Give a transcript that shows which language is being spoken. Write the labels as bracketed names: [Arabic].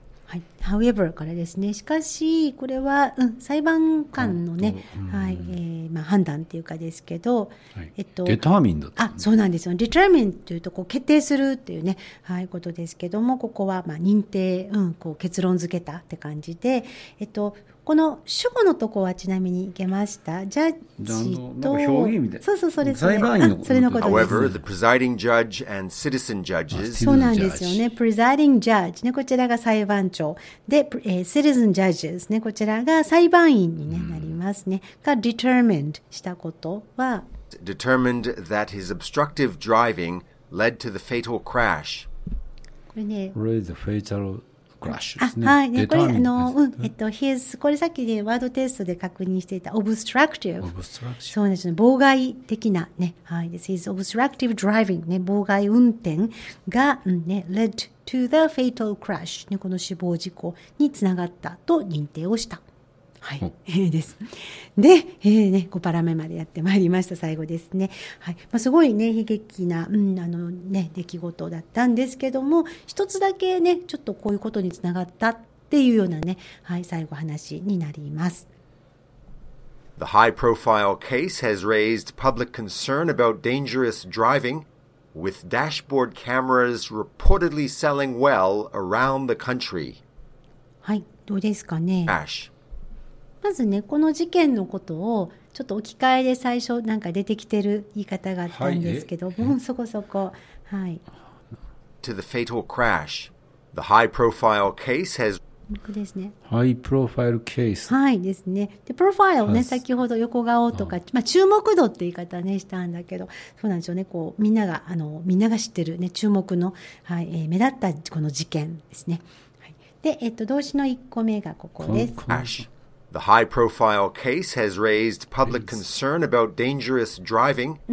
[Japanese] はい、However, からですね。しかし、これは、裁判官のね、はい、まあ、判断っていうかですけど、はい、 [English] Determined、 [Japanese] ね。あ、そうなんですよ。 Determined というと、こう、決定するっていうね、はい、ことですけども、ここは、まあ、認定、こう、結論付けたって感じで、この主語のとこはちなみにいけました、ジャッジと表現みたいな、そうそう、それ、裁判員のそれのことです。 [English] However, the presiding judge and citizen judges、 [Japanese] そうなんですよね。 [English] presiding judge、 [Japanese] ね、こちらが裁判長で、 [English] citizen judges、 [Japanese] ね、こちらが裁判員に、ね、なりますね、が determined したことは [English] determined that his obstructive driving led to the fatal crash。 [Japanese] これね、 [English] the fatal [Japanese] これさっき、ね、ワードテストで確認していたオブストラクティブ、そうですね、妨害的な、ね、はい、 [English] This is obstructive driving、 [Japanese] ね、妨害運転が、ね、 [English] led to the fatal crash、 [Japanese] ね、この死亡事故につながったと認定をした、はい、です。で、ね、5パラ目までやってまいりました、最後ですね。はい、まあ、すごいね、悲劇な、ね、出来事だったんですけども、一つだけね、ちょっとこういうことにつながったっていうようなね、はい、最後話になります。 [English] The high profile case has raised public concern about dangerous driving, with dashboard cameras reportedly selling well around the country. [Japanese] はい、どうですかね。 Ash. まずね、この事件のことをちょっと置き換えで最初なんか出てきてる言い方があったんですけど、はい、もうそこそこ、はい。 [English] To the fatal crash, the high profile case has [Japanese] ですね。 [English] High profile case。 [Japanese] はいですね。で、profile ね、先ほど横顔とか、まあ、注目度って言い方ねしたんだけど、そうなんでしょうね。こうみんなが、みんなが知ってるね、注目の、はい、目立ったこの事件ですね。はい、で、動詞の1個目がここです。 [English] Crash。 The high-profile case has raised public concern about dangerous driving.